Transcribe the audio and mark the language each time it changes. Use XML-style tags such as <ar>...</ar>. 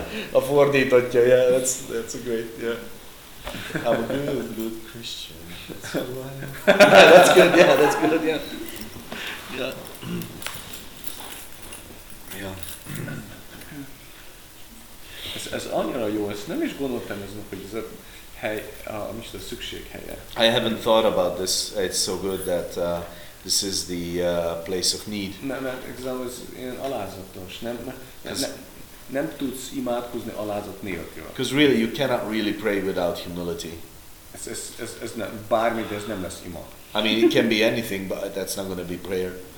<hu>A fordítottja,</hu> <en>yeah, that's a great, yeah. I'm a good Christian. That's good, yeah. Yeah.</en> <hu>Ez annyira jó, ezt nem is gondoltam ezzel, hogy ez a hely, ami is a szükséghelye.</hu> <en>I haven't thought about this. It's so good that this is the place of need.</en> <hu>Mert igazából ez ilyen alázatos. Nem tudsz imádkozni alázat nélkül.</hu> <en>Because really, you cannot really pray without humility.</en> <hu>Ez nem, bármi, de ez nem lesz ima. I mean, it can be anything, but that's not going to be prayer.</hu>